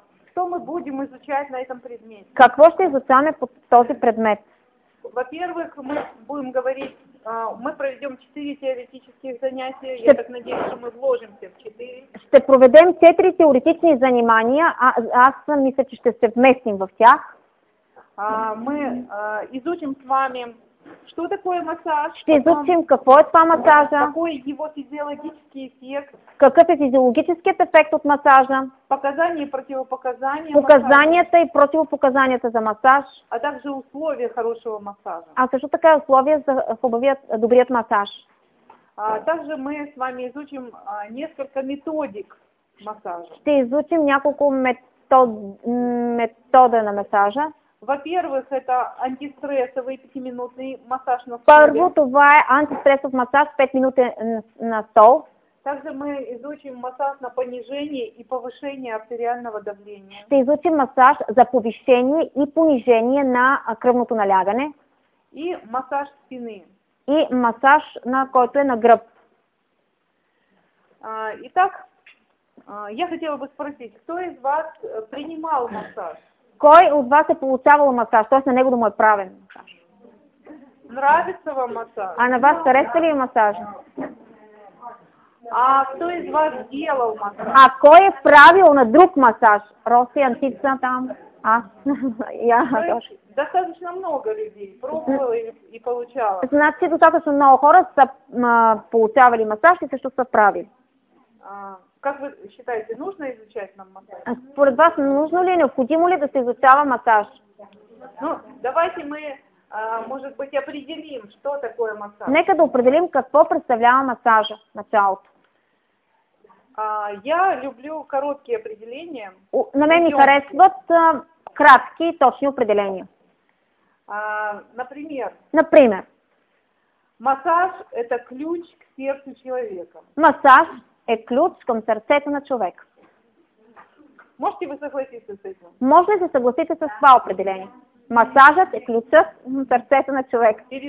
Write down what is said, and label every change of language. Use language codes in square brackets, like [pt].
[ru] Что мы будем изучать на этом предмете? [bg] Какво ще изучаваме по този предмет? [ru] Во-первых, мы будем говорить, мы проведем 4 теоретических занятия. Ще... Я так надеюсь, что мы вложимся в 4. [bg] Ще проведем 4 теоретични занимания, аз мисля, че ще се вместим в тях. [ru] Мы изучим с вами, что такое массаж. [bg] Ще изучим какво е това масажа. [ru] Какой его физиологический эффект. [bg] Какъв е физиологическият ефект от масажа. [ru] Показания и противопоказания. [bg] Показанията масажа. И противопоказанията за масаж. [ru] А также условия хорошего массажа. [bg] А също така условия за хубавият, добрият масаж. [ru] Также мы с вами изучим несколько методик массажа. [bg] Ще изучим няколко метода на масажа. [ru] Во-первых, это антистрессовый 5-минутный массаж на стол. [bg] Първо, това е антистресов масаж 5 минути на стол. [ru] Также мы изучим массаж на понижение и повышение артериального давления. [bg] Ще изучим массаж за повишение и понижение на кръвното налягане. [ru] И массаж спины. [bg] И массаж, на който е на гръб. [ru] Итак, я хотела бы спросить, кто из вас принимал массаж? [bg] Кой от вас е получавал масаж, т.е. на него да му е правен масаж? [ru] Нравится вам масаж? [bg] А на вас хареса ли масажа? [ru] А кто из вас делал масаж? [bg] А кой е правил на друг масаж? Роси, Антица там, [ru] я тоже. Достаточно много людей пробовали и получавали. [bg] Значи достаточно много хора са получавали масаж и също са правили. [ru] Как вы считаете, нужно изучать нам массаж? [bg] Според вас нужно ли, необходимо ли да се изучава масаж? [ru] Ну, давайте мы, может быть, определим, что такое массаж. [bg] Нека да определим какво представлява масажа в началото. [ru] Я люблю короткие определения. [bg] На мен ми харесват кратки и точни определения. [ru] Например. [bg] Например. [ru] Массаж – это ключ к сердцу человека. [bg] Массаж е ключ към сърцето на човек. [ru] Можете ли съгласите с этим? [bg] Може ли се съгласите с това определение? Масажът е ключът към сърцето на човек.